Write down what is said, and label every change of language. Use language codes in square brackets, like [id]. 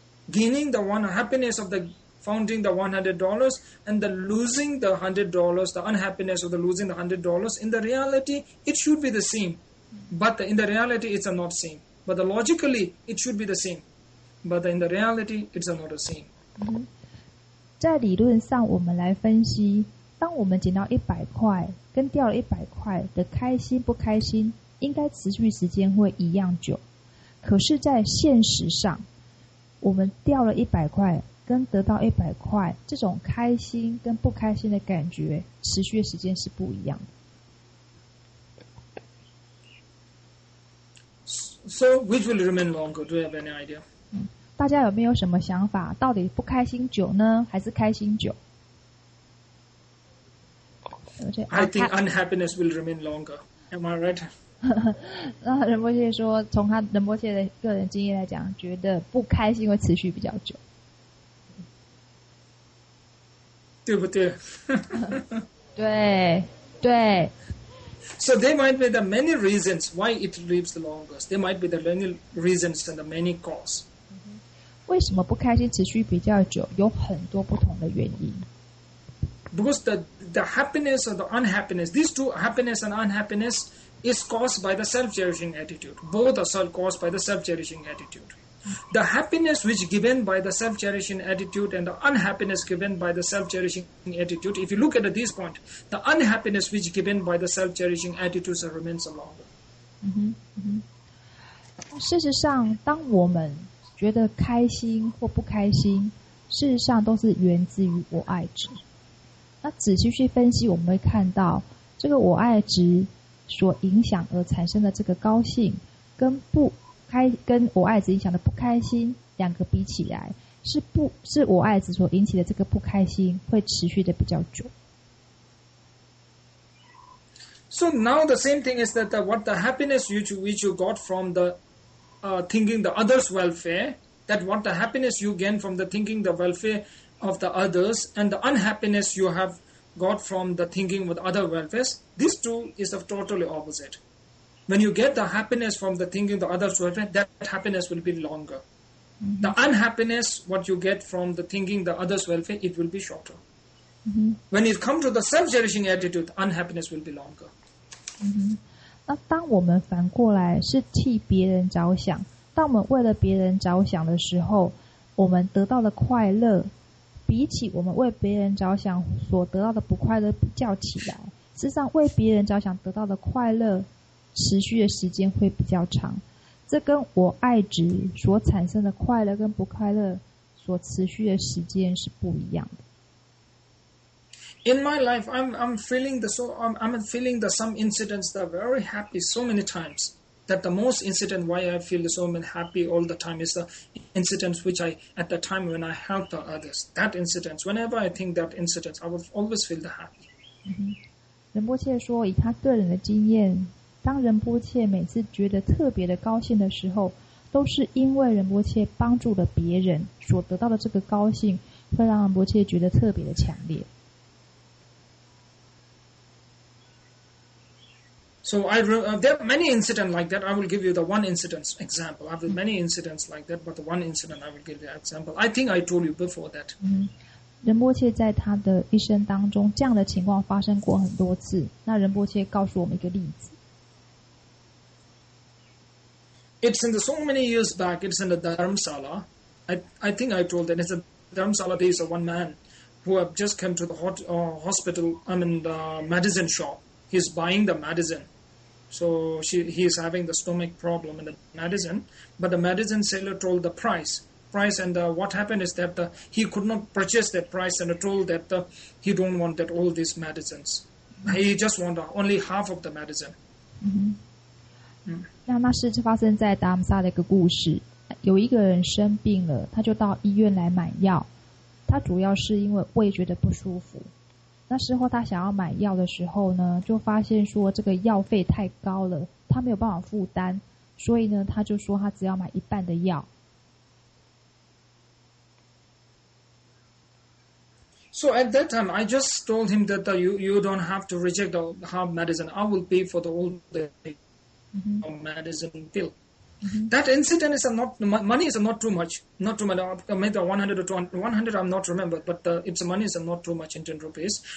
[en] Gaining the one happiness of the founding the $100 and the losing the $100, the unhappiness of the losing the $100. In the reality, it should be the same. But in the reality, it's not the same. But the logically, it should be the same. But in the reality, it's not the same. Mm-hmm. [zh] 在理论上我们来分析，当我们捡到100块跟掉了100块的开心不开心应该持续时间会一样久，可是在现实上我们掉了100块跟得到100块这种开心跟不开心的感觉持续时间是不一样的。 [en] So which will remain longer? Do you have any idea? [zh] 大家有没有什么想法？到底不开心久呢，还是开心久？ [en] I think unhappiness will remain longer. Am I right? [zh] 那仁波切说，从他仁波切的个人经验来讲，觉得不开心会持续比较久，对不对？对对。 [en] So there might be the many reasons why it lives the longest. There might be the many reasons and the many cause. [zh] 为什么不开心持续比较久？有很多不同的原因。 [en] Because the happiness or the unhappiness, these two happiness and unhappiness is caused by the self-cherishing attitude. Both are caused by the self-cherishing attitude. The happiness which given by the self-cherishing attitude and the unhappiness given by the self-cherishing attitude. If you look at this point, the unhappiness which given by the self-cherishing attitudes remains longer. 嗯哼，嗯哼。 [zh] 事实上，当我们觉得开心或不开心，事实上都是源自于我爱值。那仔细去分析，我们会看到这个我爱值所影响而产生的这个高兴，跟不开跟我爱值影响的不开心，两个比起来，是我爱值所引起的这个不开心会持续的比较久。 [en] So now the same thing is that what the happiness which you got from theThinking the others' welfare, that what the happiness you gain from the thinking the welfare of the others and the unhappiness you have got from the thinking with other welfares, these two is of totally opposite. When you get the happiness from the thinking the others' welfare, that happiness will be longer. Mm-hmm. The unhappiness, what you get from the thinking the others' welfare, it will be shorter. Mm-hmm. When it comes to the self-cherishing attitude, unhappiness will be longer. Mm-hmm. [zh] 那当我们反过来是替别人着想，当我们为了别人着想的时候，我们得到的快乐比起我们为别人着想所得到的不快乐比较起来，事实上为别人着想得到的快乐持续的时间会比较长，这跟我爱值所产生的快乐跟不快乐所持续的时间是不一样的。 [en] In my life, I'm feeling some incidents that are very happy so many times. That the most incident why I feel so happy all the time is the incidents which I, at the time when I help the others. That incidents, whenever I think that incidents, I will always feel the happy. [zh] 仁波切说，以他个人的经验，当仁波切每次觉得特别的高兴的时候，都是因为仁波切帮助了别人，所得到的这个高兴会让仁波切觉得特别的强烈。 [en] So I there are many incidents like that. I will give you the one incident example. I have many incidents like that, but the one incident I will give you an example. I think I told you before that. [zh] 仁波切在他的一生当中，这样的情况发生过很多次。那仁波切告诉我们一个例子。 [en] It's in the so many years back. It's in the Dharamsala. I think I told that it's a Dharamsala days of one man who have just come to the hospital. I mean the medicine shop. He's buying the medicine. So he is having the stomach problem in the medicine. But the medicine seller told the price. And what happened is that he could not purchase that price and told that he don't want that all these medicines. He just want only half of the medicine. [zh] 那是发生在达姆萨的一个故事。有一个人生病了，他就到医院来买药。他主要是因为胃觉得不舒服。那时候他想要买药的时候呢，就发现说这个药费太高了，他没有办法负担，所以呢，他就说他只要买一半的药。 [en] So at that time, I just told him that you don't have to reject the half medicine. I will pay for the whole medicine pill. That incident is not, money is not too much. Not too much, maybe 100 or 200, 100 I'm not remembered, but it's money is not too much in 10 rupees.